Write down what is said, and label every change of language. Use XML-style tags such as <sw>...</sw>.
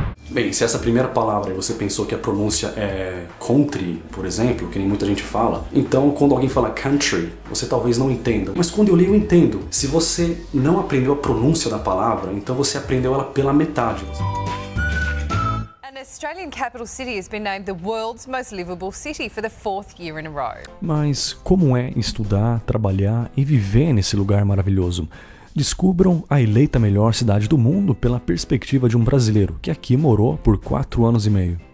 <pt>Bem, se essa primeira palavra você pensou que a pronúncia é country, por exemplo, que nem muita gente fala, então quando alguém fala country, você talvez não entenda. Mas quando eu leio, eu entendo. Se você não aprendeu a pronúncia da palavra, então você aprendeu ela pela metade.</pt> <en>Australian capital city has been named the world's most livable city for the fourth year in a row.</en> <pt>Mas como é estudar, trabalhar e viver nesse lugar maravilhoso? Descubram a eleita melhor cidade do mundo pela perspectiva de um brasileiro que aqui morou por 4 anos e meio.</pt>